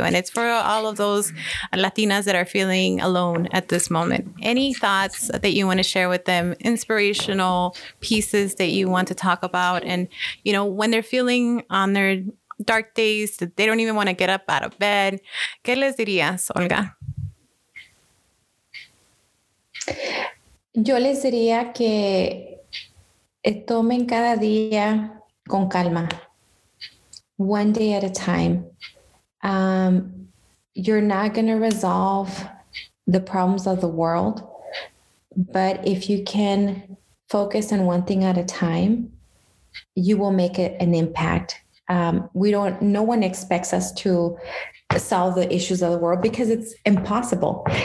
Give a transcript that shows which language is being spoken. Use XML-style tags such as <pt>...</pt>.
<en>And it's for all of those Latinas that are feeling alone at this moment. Any thoughts that you want to share with them, inspirational pieces that you want to talk about? And, you know, when they're feeling on their dark days, that they don't even want to get up out of bed,</en> <es>¿qué les dirías, Olga? Yo les diría que tomen cada día con calma,</es> <en>one day at a time. You're not going to resolve the problems of the world, but if you can focus on one thing at a time, you will make an impact. No one expects us to solve the issues of the world, because it's impossible.</en>